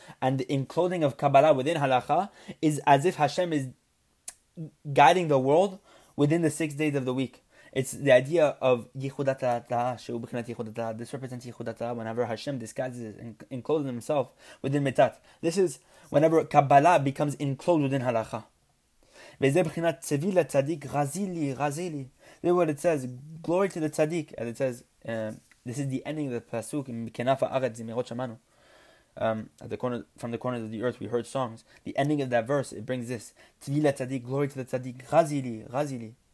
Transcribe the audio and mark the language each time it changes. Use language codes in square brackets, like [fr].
[en] And the enclosing of kabbalah within halacha is as if Hashem is guiding the world within the 6 days of the week. It's the idea of [he] yichudat ha'atah shebechinat yichudat ha'atah. [en] This represents yichudat ha'atah whenever Hashem disguises and encloses himself within metat. This is whenever kabbalah becomes enclosed within halacha. [he] וזה בחינת צבי לצדיק, רזי לי, רזי לי. [en] This is what it says, glory to the tzaddik. As it says, this is the ending of the pasuk, [he] מכנף הארץ זמירות שמענו. [en] From the corners of the earth we heard songs. The ending of that verse, it brings this, [he] צבי לצדיק, [en] glory to the tzaddik, [he] רזי לי, רזי לי.